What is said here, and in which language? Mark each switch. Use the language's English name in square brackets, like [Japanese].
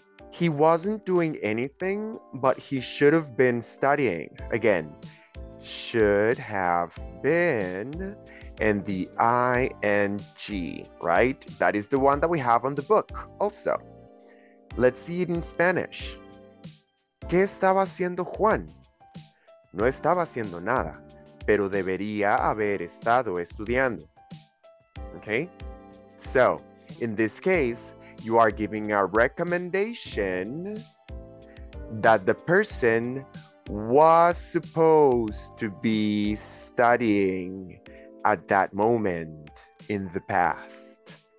[English] He wasn't doing anything, but he should have been studying. Again, should have been, and the ing, right? That is the one that we have on the book also. Let's see it in Spanish. [Spanish] ¿Qué estaba haciendo Juan? No estaba haciendo nada, pero debería haber estado estudiando. [English] Okay? So, in this case, you are giving a recommendation that the person was supposed to be studying at that moment in the past.